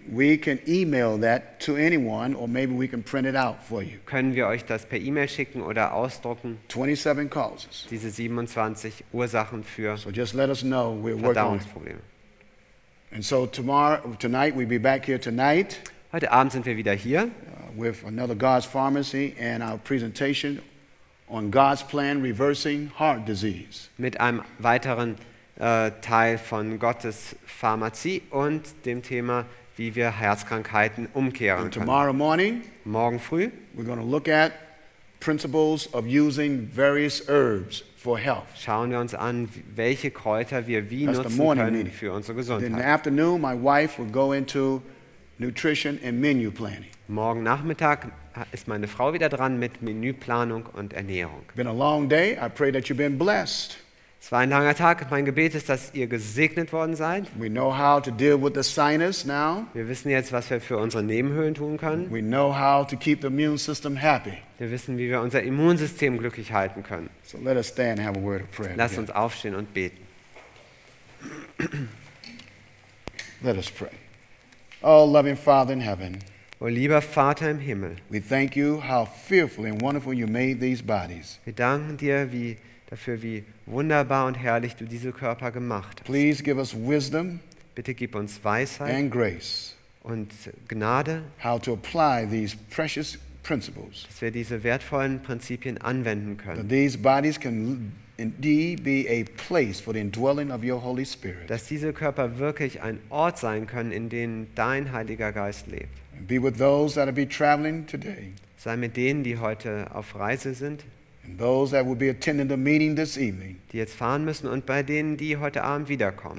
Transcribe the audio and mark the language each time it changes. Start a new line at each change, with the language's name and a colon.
English: We can email that to anyone, or maybe we can print it out for you.
German: Können wir euch das per E-Mail schicken oder ausdrucken?
English: 27 causes.
German: Diese 27 Ursachen für
English: so just let us know we're
German: Verdauungsprobleme.
English: And so tonight we'll be back here tonight.
German: Heute Abend sind wir wieder hier.
English: With another God's Pharmacy and our presentation on God's plan reversing heart disease.
German: Mit einem weiteren Teil von Gottes Pharmazie und dem Thema, wie wir Herzkrankheiten umkehren können. Morgen früh schauen wir uns an, welche Kräuter wir wie nutzen können für unsere Gesundheit. Morgen Nachmittag ist meine Frau wieder dran mit Menüplanung und Ernährung. Es war ein langer Tag. Ich hoffe, dass du gesegnet bist. Es war ein langer Tag. Mein Gebet ist, dass ihr gesegnet worden seid.
English: We know how to deal with the sinus now.
German: Wir wissen jetzt, was wir für unsere Nebenhöhlen tun können.
English: We know how to keep the immune system happy.
German: Wir wissen, wie wir unser Immunsystem glücklich halten können.
English: So let us stand and have a word of prayer.
German: Lass uns aufstehen und beten.
English: Let us pray. Oh, loving Father in heaven.
German: O lieber Vater im Himmel.
English: We thank you how fearfully and wonderfully you made these bodies.
German: Wir danken dir, wie wunderbar und herrlich du diese Körper gemacht hast.
English: Please give us wisdom.
German: Bitte gib uns Weisheit
English: and grace
German: und Gnade,
English: how to apply these precious principles,
German: dass wir diese wertvollen Prinzipien anwenden können.
English: That these bodies can indeed be a place for the indwelling of your Holy Spirit.
German: Dass diese Körper wirklich ein Ort sein können, in dem dein Heiliger Geist lebt.
English: And be with those that will be traveling today.
German: Sei mit denen, die heute auf Reise sind.
English: And those that will be attending the meeting this evening,
German: die jetzt fahren müssen und bei denen, die heute Abend wiederkommen,